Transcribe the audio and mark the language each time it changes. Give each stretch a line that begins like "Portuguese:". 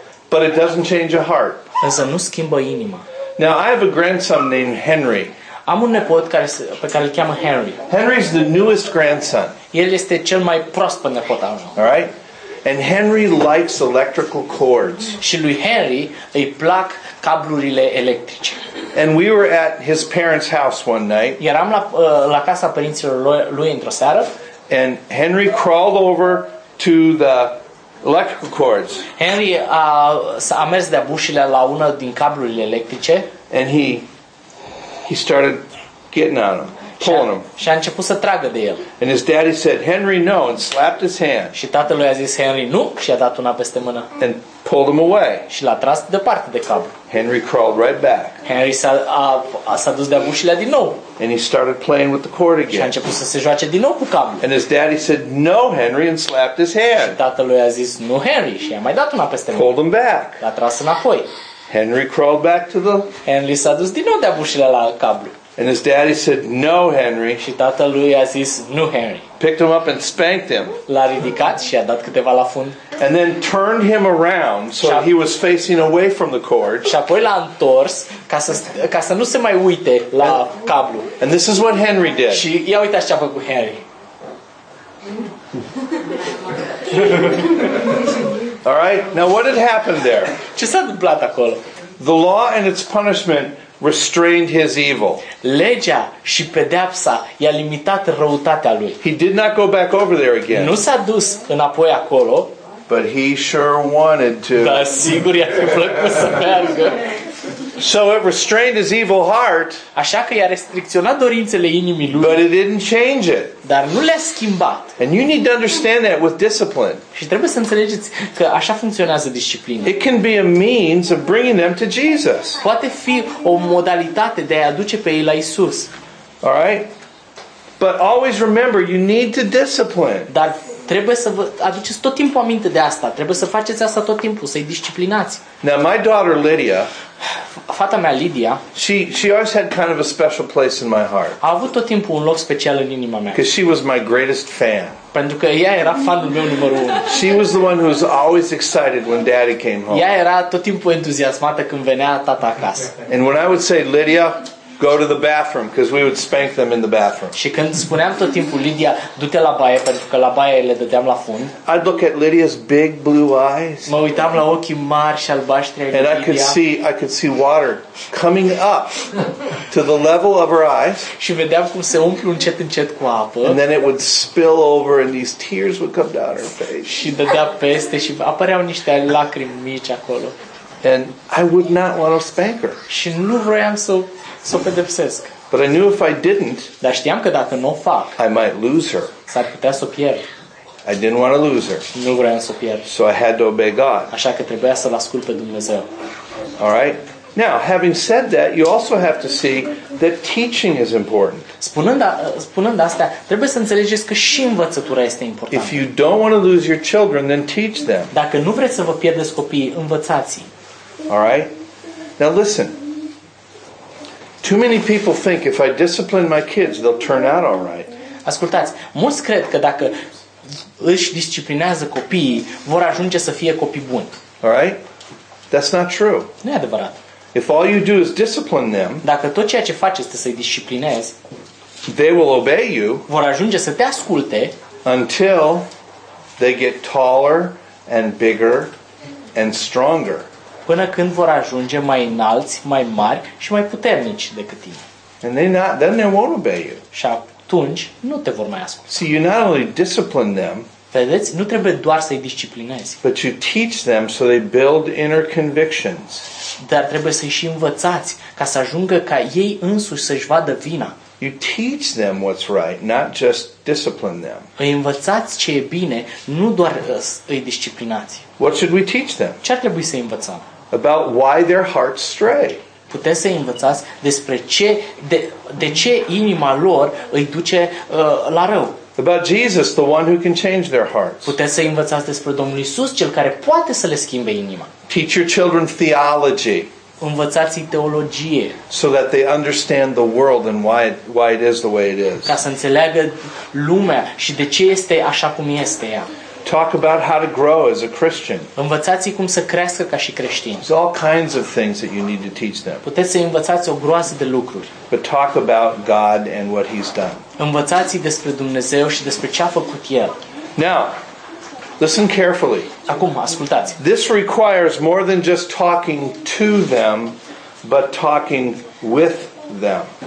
English: But it doesn't change a heart.
Romanian: Însă nu schimbă inima.
English: Now I have a grandson named Henry.
Romanian: Am un nepot pe care îl cheamă Henry.
English: Henry's the newest grandson.
Romanian: El este cel mai proaspăt nepot al meu.
English: All right? And Henry likes electrical cords.
Romanian: Și lui Henry îi plac cablurile electrice.
English: And we were at his parents' house one night.
Romanian: Eram la casa părinților lui într-o seară.
English: And Henry crawled over to the electrical cords.
Romanian: Henry a mers de-a bușile la una din cablurile electrice.
English: And he started getting on them, pulling them.
Romanian: Și a început să tragă de el.
English: And his daddy said, Henry, no, and slapped his hand.
Romanian: Și tatăl lui a zis, Henry, nu, și a dat una peste mână.
English: And pulled him away.
Romanian: Și l-a tras departe de cablu.
English: Henry crawled right back.
Romanian: Henry s-a dus de-a bușile din nou.
English: And he started playing with the cord again.
Romanian: Și a început să se joace din nou cu cablu.
English: And his daddy said, no, Henry, and slapped his hand.
Romanian: Și tatăl lui a zis, nu, Henry, și a mai dat una peste mână.
English: Pulled him back.
Romanian: L-a tras înapoi.
English: Henry crawled back to the...
Romanian: Henry s-a dus din nou de-a bușile la cablu.
English: And his daddy said, "No, Henry."
Romanian: Și tatăl lui a zis, "Nu, Henry."
English: Picked him up and spanked him.
Romanian: L-a ridicat și a dat câteva la fund.
English: And then turned him around so he was facing away from the cord.
Romanian: Și apoi l-a întors ca să nu se mai uite la cablu.
English: And this is what Henry did.
Romanian: Și ia uite ce a făcut Henry.
English: All right. Now what had happened there?
Romanian: Ce s-a întâmplat acolo?
English: The law and its punishment restrained his evil.
Romanian: Legea și pedeapsa i-a limitat răutatea lui.
English: He did not go back over there again.
Romanian: Nu s-a dus înapoi acolo.
English: But he sure wanted to.
Romanian: Da, sigur i-a plăcut să meargă.
English: So it restrained his evil heart.
Romanian: Așa că i-a restricționat dorințele inimii lui.
English: But it didn't change it.
Romanian: Dar nu l-a schimbat.
English: And you need to understand that with discipline.
Romanian: Și trebuie să înțelegeți că așa funcționează disciplina.
English: It can be a means of bringing them to Jesus.
Romanian: Poate fi o modalitate de a aduce pe ei la Isus.
English: All right? But always remember, you need to discipline.
Romanian: Dar trebuie să vă aduceți tot timpul aminte de asta. Trebuie să faceți asta tot timpul, să-i disciplinați.
English: Now my daughter Lydia,
Romanian: fata mea Lydia,
English: she always had kind of a special place in my heart.
Romanian: A avut tot timpul un loc special în inima mea.
English: Because she was my greatest fan.
Romanian: Pentru că ea era fanul meu numărul 1.
English: She was the one who was always excited when daddy came home.
Romanian: Ea era tot timpul entuziasmată când venea tata acasă.
English: And when I would say, "Lydia, go to the bathroom," because we would spank them in the bathroom.
Romanian: Și când spuneam tot timpul, "Lydia, du-te la baie," pentru că la baie le dădeam la fund.
English: I'd look at Lydia's big blue eyes.
Romanian: Mă uitam la ochii mari și albaștri ai
English: Lydia. And I could see water coming up to the level of her eyes.
Romanian: Și vedeam cum se umple încet încet cu apă.
English: And then it would spill over and these tears would come down her face.
Romanian: Și dădea peste și apăreau niște lacrimi mici acolo.
English: And I would not want to spank her.
Romanian: Și nu vreau să o pedepsesc.
English: But I knew if I didn't,
Romanian: dar știam că dacă nu o fac,
English: I might lose her.
Romanian: S-ar putea să o pierd.
English: I didn't want to lose her.
Romanian: Nu vreau să o pierd.
English: So I had to obey God.
Romanian: Așa că trebuia să-L ascult pe Dumnezeu.
English: All right. Now, having said that, you also have to see that teaching is important.
Romanian: Spunând asta, trebuie să înțelegeți că și învățătura este importantă.
English: If you don't want to lose your children, then teach them.
Romanian: Dacă nu vreți să vă pierdeți copiii, învățați-i.
English: All right. Now listen. Too many people think if I discipline my kids, they'll turn out all right.
Romanian: Ascultați, mulți cred că dacă își disciplinează copiii, vor ajunge să fie copii buni.
English: All right? That's not true.
Romanian: Nu e adevărat.
English: If all you do is discipline them,
Romanian: dacă tot ceea ce faci este să-i disciplinezi,
English: they will obey you.
Romanian: Vor ajunge să te asculte
English: until they get taller and bigger and stronger.
Romanian: Până când vor ajunge mai înalți, mai mari și mai puternici decât tine.
English: And then they won't obey you.
Romanian: Și atunci nu te vor mai asculta.
English: See, you not only discipline them,
Romanian: vedeți, nu trebuie doar să-i disciplinezi,
English: but you teach them so they build inner convictions.
Romanian: Dar trebuie să-i și învățați ca să ajungă ca ei însuși să-și vadă vina.
English: You teach them what's right, not just discipline them.
Romanian: Îi învățați ce e bine, nu doar îi disciplinați.
English: What should we teach them?
Romanian: Ce ar trebui să-i învățăm?
English: About why their hearts stray.
Romanian: Puteți să-i învățați despre ce, de ce inima lor îi duce la rău.
English: About Jesus, the one who can change their hearts.
Romanian: Puteți să-i învățați despre Domnul Iisus, cel care poate să le schimbe inima.
English: Teach your children theology.
Romanian: Învățați-i teologie.
English: So that they understand the world and why it is the way it is.
Romanian: Ca să înțeleagă lumea și de ce este așa cum este ea.
English: Talk about how to grow as a Christian.
Romanian: Învățați-i cum să crească ca și creștin.
English: There's all kinds of things that you need to teach them.
Romanian: Puteți să învățați o groază de lucruri.
English: But talk about God and what He's done.
Romanian: Învățați-i despre Dumnezeu și despre ce a făcut El.
English: Now, listen carefully.
Romanian: Acum, ascultați.
English: This requires more than just talking to them, but talking with them.